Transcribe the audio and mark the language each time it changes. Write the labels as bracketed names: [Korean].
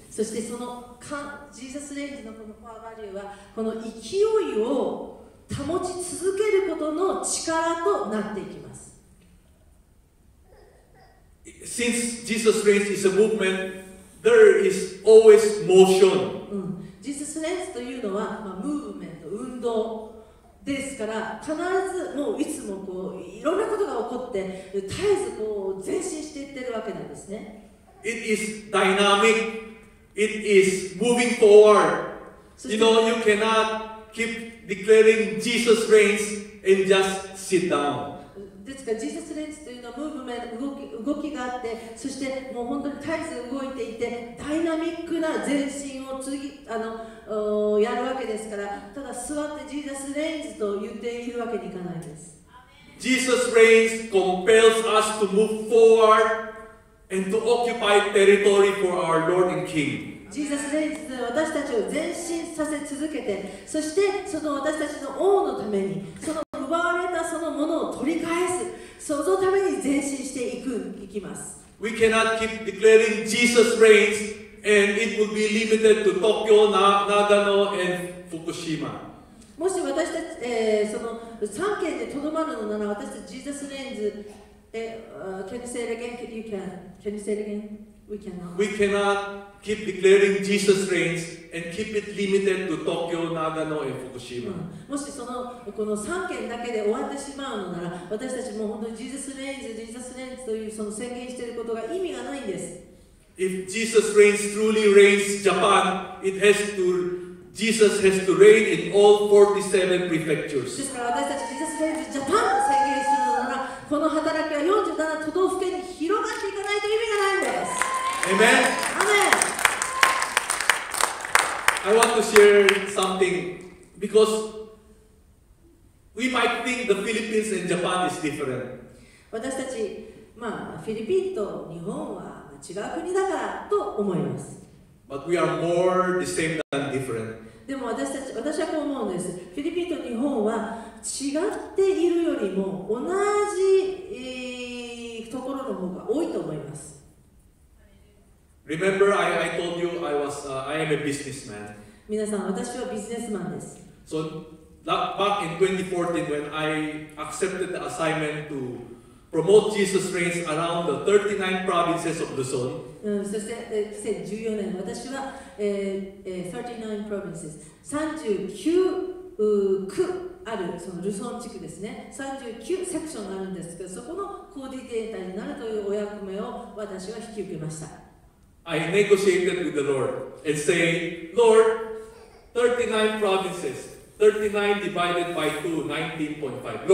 [Japanese] そしてそのジーザスレンズのこのコアバリューはこの勢いを保ち続けることの力となっていきます。 [English] Since Jesus reigns is a movement, there is always motion. [Japanese] Jesus reigns というのは、ムーブメント、運動ですから、必ずもういつもこういろんなことが起こって、絶えずこう前進していってるわけなんですね。 [English] It is dynamic. It is moving forward. You know, you cannot keep declaring Jesus reigns and just sit down. [Japanese] ですから、ジーサスレンズというのはムーブメント、動きがあって、そしてもう本当に絶えず動いていて、ダイナミックな前進を次やるわけですから、ただ座ってジーサスレンズと言っているわけにいかないです。 [English] Jesus reigns compels us to move forward and to occupy territory for our Lord and King. [Japanese] Jesus reigns で私たちを前進させ続けて、そしてその私たちの王のために、その奪われたそのものを取り返す、そのために前進していく、いきます。 [English] We cannot keep declaring Jesus reigns and it would be limited to Tokyo, Nagano and Fukushima. [Japanese] もし私たち、その3県でとどまるのなら、私たち、ジーザスレンズ、 [English] can you say it again? Can you say it again? We cannot. We cannot keep declaring Jesus reigns and keep it limited to Tokyo, Nagano, and Fukushima.、 [Japanese] うん、もしそのこの3県だけで終わってしまうのなら、私たちも本当にジーザスレンズ、ジーザスレンズというその宣言していることが意味がないんです。 [English] If Jesus reigns truly reigns Japan, it has toJesus has to reign in all 47 prefectures. [Japanese] ですから私たち、ジーザスレイズ・ジャパンを宣言するのなら、この働きは47都道府県に広がっていかないと意味がないんです。 [English] Amen. Amen. I want to share something because we might think the Philippines and Japan is different. [Japanese] 私たち、まあ、フィリピンと日本は違う国だからと思います。 [English] But we are more the same than different. [Japanese] でも私たち、私はこう思うんです。フィリピンと日本は違っているよりも同じ、ところの方が多いと思います。 [English] Remember, I told you I was, I am a businessman. [Japanese] 皆さん、私はビジネスマンです。 [English] So, back in 2014, when I accepted the assignment to promote Jesus reigns around the 39 provinces of Luzon. [Japanese] うん、そして2014年、私は、39 provinces、39区あるそのルソン地区ですね、39セクションがあるんですけど、そこのコーディネーターになるというお役目を私は引き受けました。 [English] I negotiated with the Lord and say, Lord, 39 provinces, 39 divided by 2, 19.5.